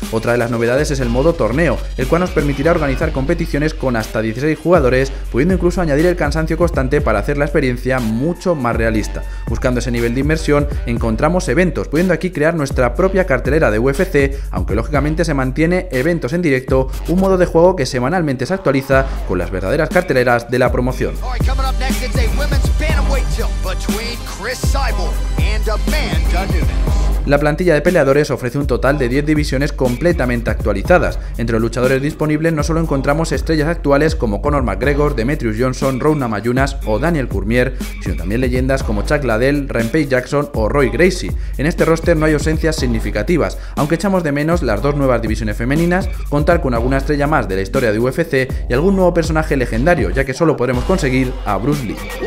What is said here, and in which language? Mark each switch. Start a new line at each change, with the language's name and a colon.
Spanish: Otra de las novedades es el modo Torneo, el cual nos permitirá organizar competiciones con hasta 16 jugadores, pudiendo incluso añadir el cansancio constante para hacer la experiencia mucho más realista. Buscando ese nivel de inmersión, encontramos eventos, pudiendo aquí crear nuestra propia cartelera de UFC, aunque lógicamente se mantiene eventos en directo, un modo de juego que semanalmente se actualiza con las verdaderas carteleras de la promoción.
English: It's a women's bantamweight tilt between Chris Cyborg and Amanda Nunes.
Spanish: La plantilla de peleadores ofrece un total de 10 divisiones completamente actualizadas. Entre los luchadores disponibles no solo encontramos estrellas actuales como Conor McGregor, Demetrius Johnson, Ronda Mayunas o Daniel Cormier, sino también leyendas como Chuck Liddell, Rampage Jackson o Roy Gracie. En este roster no hay ausencias significativas, aunque echamos de menos las dos nuevas divisiones femeninas, contar con alguna estrella más de la historia de UFC y algún nuevo personaje legendario, ya que solo podremos conseguir a Bruce Lee.